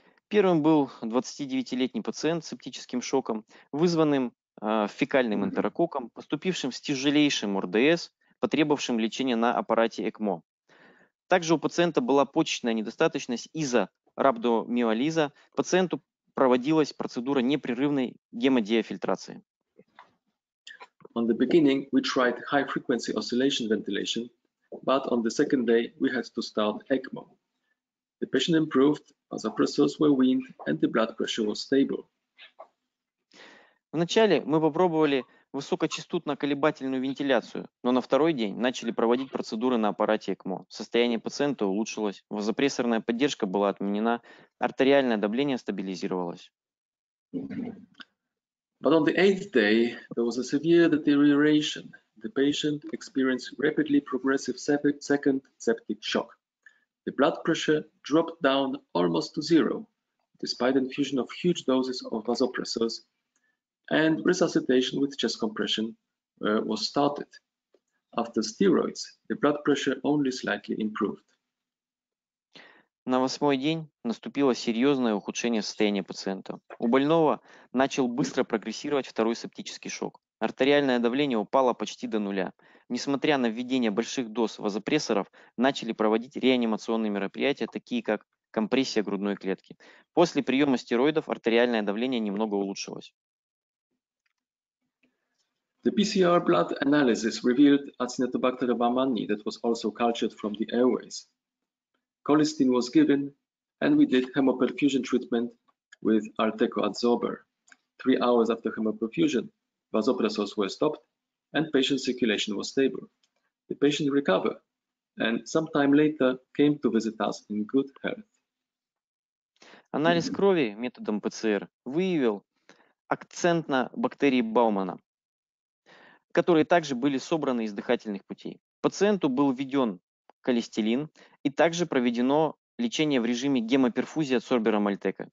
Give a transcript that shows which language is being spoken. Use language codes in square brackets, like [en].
[ru] Первым был 29-летний пациент с септическим шоком, вызванным фекальным энтерококком, поступившим с тяжелейшим ОРДС, потребовавшим лечения на аппарате ЭКМО. Также у пациента была почечная недостаточность из-за рабдомиолиза. Пациенту проводилась процедура непрерывной гемодиафильтрации. [en] On the beginning, we tried high-frequency oscillation ventilation, but on the second day, we had to start ECMO. The patient improved, vasopressors were weaned, and the blood pressure was stable. [ru] Вначале мы попробовали высокочастотно-колебательную вентиляцию, но на второй день начали проводить процедуры на аппарате ECMO. Состояние пациента улучшилось, вазопрессорная поддержка была отменена, артериальное давление стабилизировалось. [en] But on the eighth day, there was a severe deterioration. The patient experienced rapidly progressive second septic shock. The blood pressure dropped down almost to zero, despite infusion of huge doses of vasopressors, and resuscitation with chest compression was started. After steroids, the blood pressure only slightly improved. [ru] На восьмой день наступило серьезное ухудшение состояния пациента. У больного начал быстро прогрессировать второй септический шок. Артериальное давление упало почти до нуля. Несмотря на введение больших доз вазопрессоров, начали проводить реанимационные мероприятия, такие как компрессия грудной клетки. После приема стероидов артериальное давление немного улучшилось. [en] The PCR blood analysis revealed Acinetobacter baumannii that was also cultured from the airways. Colistin was given, and we did hemoperfusion treatment with Arteco Adsorber. 3 hours after hemoperfusion, vasopressors were stopped, and patient circulation was stable. The patient recovered, and some time later came to visit us in good health. [ru] Анализ крови методом ПЦР выявил акцент на бактерии Баумана, которые также были собраны из дыхательных путей. Пациенту был введен холестерин, и также проведено лечение в режиме гемоперфузии от сорбера Мальтека.